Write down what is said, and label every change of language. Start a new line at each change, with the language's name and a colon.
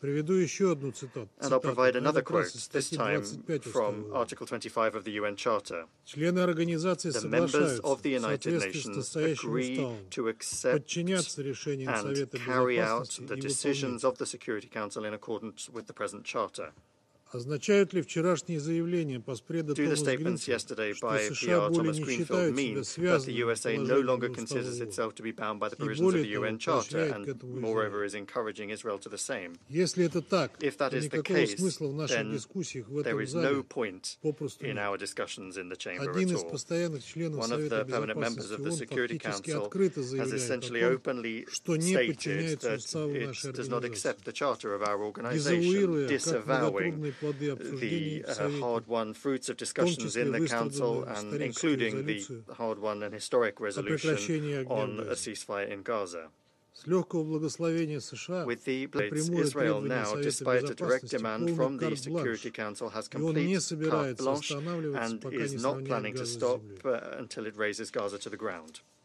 English: And I'll provide another quote, this time from Article 25 of the UN Charter. The members of the United Nations agree to accept and carry out the decisions of the Security Council in accordance with the present charter.
Russian: Означают ли вчерашние заявления поспреда Томаса Гринфилда, что США более не считают себя связанными с положением устава ООН и более того, поощряют к этому Израил? Если это так, то никакого смысла в наших дискуссиях в этом зале попросту нет. Один из постоянных членов Совета Безопасности ООН фактически открыто заявляет, что не подчиняется уставу нашей организации,
English: the hard-won fruits of discussions in the Council, and including the hard-won and historic resolution on a ceasefire in Gaza. With the blades, Israel now, despite a direct demand from the Security Council, has complete carte blanche and is not planning to stop until it raises Gaza to the ground.